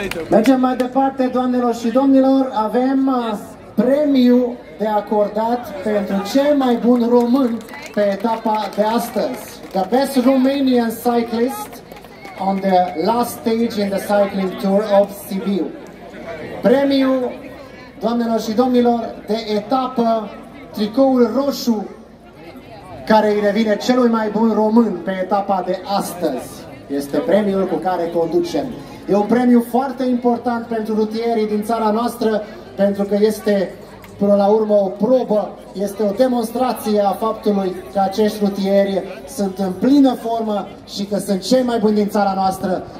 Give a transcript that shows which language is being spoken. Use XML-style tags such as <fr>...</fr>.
<ro>Mergem mai departe, doamnelor și domnilor, avem premiu de acordat pentru cel mai bun român pe etapa de astăzi.</ro> <en>The best Romanian cyclist on the last stage in the cycling tour of Sibiu.</en> <ro>Premiu, doamnelor și domnilor, de etapă, tricoul roșu care îi revine celui mai bun român pe etapa de astăzi. Este premiul cu care conducem. E un premiu foarte important pentru rutierii din țara noastră, pentru că este, până la urmă, o probă, este o demonstrație a faptului că acești rutieri sunt în plină formă și că sunt cei mai buni din țara noastră.</ro>